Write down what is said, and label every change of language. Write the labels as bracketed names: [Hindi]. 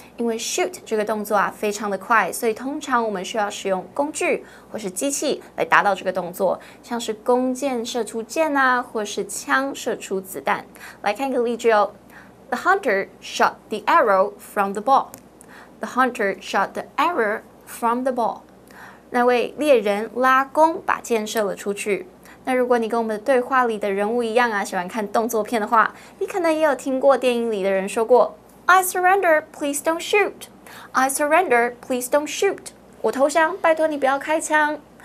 [Chinese] 因为 shoot 这个动作啊非常的快，所以通常我们需要使用工具或是机器来达到这个动作，像是弓箭射出箭啊，或是枪射出子弹。来看一个例句哦 [English] ，The hunter shot the arrow from the ball. The hunter shot the arrow from the ball. [Chinese] 那位猎人拉弓把箭射了出去。那如果你跟我们的对话里的人物一样啊，喜欢看动作片的话，你可能也有听过电影里的人说过。 [English] I surrender, please don't shoot. I surrender, please don't shoot. [Chinese] 我投降，拜托你不要开枪。